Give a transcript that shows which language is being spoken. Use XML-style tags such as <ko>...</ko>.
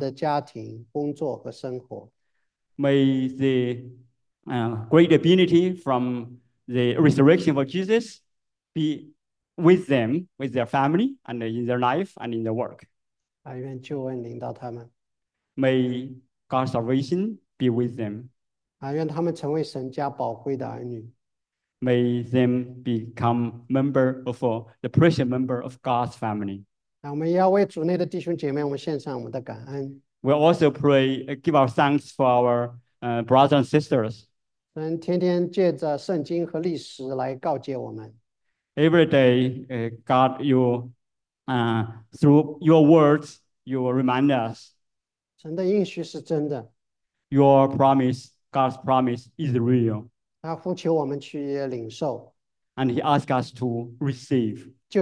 <zh>愿基督耶稣复活的大能领导他们的家庭、工作和生活。</zh> <en>May the great ability from the resurrection of Jesus be with them, with their family, and in their life, and in their work.</en> <zh>愿救恩领导他们。</zh> <en>May God's salvation be with them.</en> <zh>愿他们成为神家宝贵的儿女。</zh> <en>May them become member of the precious member of God's family.</en> <zh>我们也要为主内的弟兄姐妹，我们献上我们的感恩。</zh> <en>We also pray, give our thanks for our brothers and sisters.</en> <zh>神天天借着圣经和历史来告诫我们。</zh> <en>Every day, God, through your words, you remind us.</en> <zh>神的应许是真的。</zh> <en>Your promise, God's promise, is real.</en> <zh>他呼求我们去领受。</zh> <en>And he asks us to receive.</en>